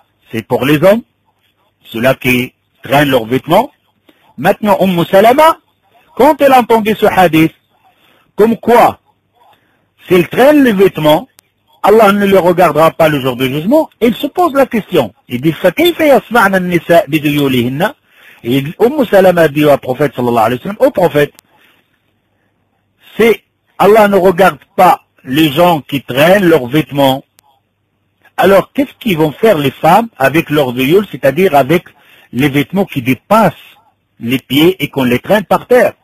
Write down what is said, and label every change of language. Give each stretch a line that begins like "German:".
French: C'est pour les hommes, ceux-là qui traînent leurs vêtements. Maintenant, Umm Salama, quand elle a entendu ce hadith, comme quoi, s'il traîne les vêtements, Allah ne le regardera pas le jour du jugement, il se pose la question.
Arabic: Il dit, فَكَيْفَ يَصْمَعْنَا النِّسَاءِ بِدُيُولِهِنَّ.
French: Et Umm Salama dit au prophète, sallallahu alayhi wa sallam, au prophète, si Allah ne regarde pas les gens qui traînent leurs vêtements, alors, qu'est-ce qu'ils vont faire les femmes avec leur veilleul, c'est-à-dire avec les vêtements qui dépassent les pieds et qu'on les traîne par terre?